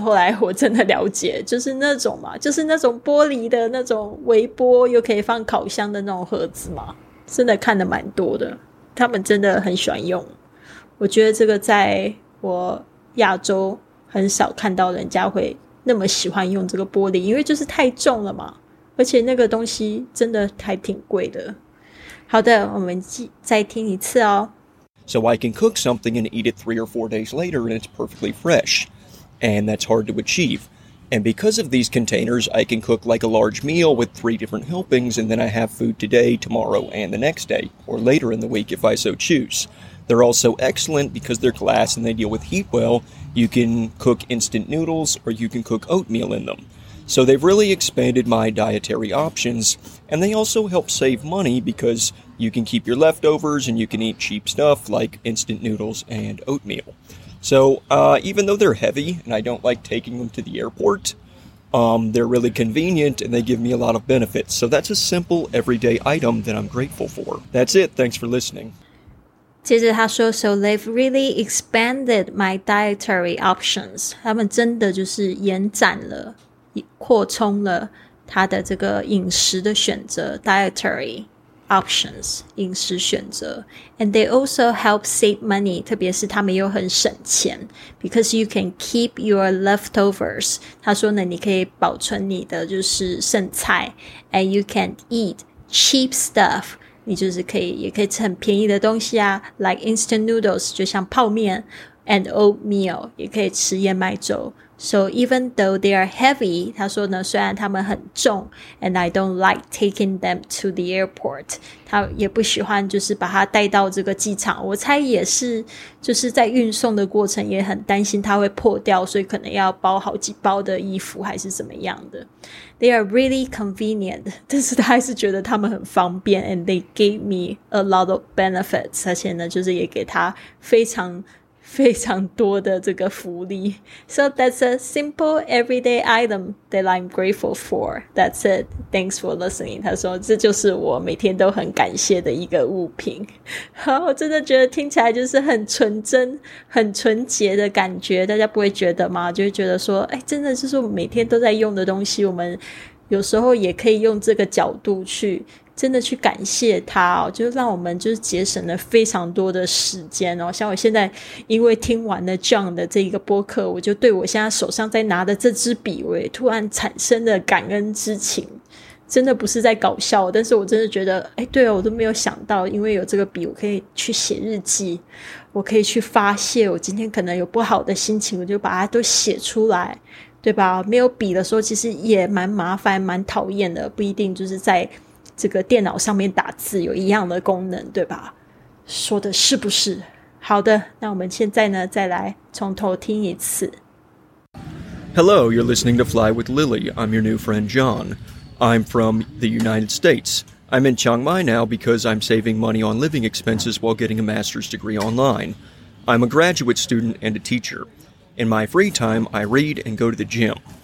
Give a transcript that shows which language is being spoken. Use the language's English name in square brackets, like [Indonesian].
[Chinese] 后来我真的了解，就是那种嘛，就是那种玻璃的那种微波又可以放烤箱的那种盒子嘛，真的看得蛮多的。他们真的很喜欢用。我觉得这个在我亚洲很少看到人家会那么喜欢用这个玻璃，因为就是太重了嘛，而且那个东西真的还挺贵的。好的，我们再听一次哦。 [English] So I can cook something and eat it 3 or 4 days later and it's perfectly fresh. And that's hard to achieve. And because of these containers, I can cook like a large meal with 3 different helpings and then I have food today, tomorrow, and the next day, or later in the week if I so choose. They're also excellent because they're glass and they deal with heat well. You can cook instant noodles or you can cook oatmeal in them. So they've really expanded my dietary options, and they also help save money because you can keep your leftovers and you can eat cheap stuff like instant noodles and oatmeal. So even though they're heavy and I don't like taking them to the airport, they're really convenient and they give me a lot of benefits. So that's a simple everyday item that I'm grateful for. That's it. Thanks for listening. [Chinese] 接着他说 [English] So they've really expanded my dietary options. [Chinese] 他们真的就是延展了。扩充了他的这个饮食的选择 dietary options, 饮食选择。 [English] And they also help save money, [Chinese] 特别是他们又很省钱 [English] because you can keep your leftovers. [Chinese] 他说呢你可以保存你的就是剩菜 [English] and you can eat cheap stuff. [Chinese] 你就是可以也可以吃很便宜的东西啊 like instant noodles 就像泡面 and oatmeal 也可以吃燕麦粥 [English] so even though they are heavy [Chinese] 他说呢虽然他们很重 [English] and I don't like taking them to the airport [Chinese] 他也不喜欢就是把它带到这个机场我猜也是就是在运送的过程也很担心它会破掉所以可能要包好几包的衣服还是怎么样的 [English] They are really convenient, [Chinese] 但是他还是觉得他们很方便 [English] and they gave me a lot of benefits, [Chinese] 而且呢就是也给他非常非常多的这个福利。 [English] So that's a simple everyday item that I'm grateful for. That's it. Thanks for listening. [Chinese] 他说这就是我每天都很感谢的一个物品。好，我真的觉得听起来就是很纯真很纯洁的感觉。大家不会觉得吗？就会觉得说哎，真的就是我们每天都在用的东西，我们有时候也可以用这个角度去真的去感谢他哦，就让我们就是节省了非常多的时间哦。像我现在因为听完了 John 的这一个播客，我就对我现在手上在拿的这支笔，我也突然产生了感恩之情。真的不是在搞笑，但是我真的觉得，哎，对哦，我都没有想到，因为有这个笔，我可以去写日记，我可以去发泄，我今天可能有不好的心情，我就把它都写出来。对吧？没有笔的时候其实也蛮麻烦蛮讨厌的，不一定就是在这个电脑上面打字有一样的功能，对吧？说的是不是？好的，那我们现在呢再来从头听一次。 [English] Hello, you're listening to Fly with Lily. I'm your new friend John. I'm from the United States. I'm in Chiang Mai now because I'm saving money on living expenses while getting a master's degree online. I'm a graduate student and a teacherIn my free time, I read and go to the gym.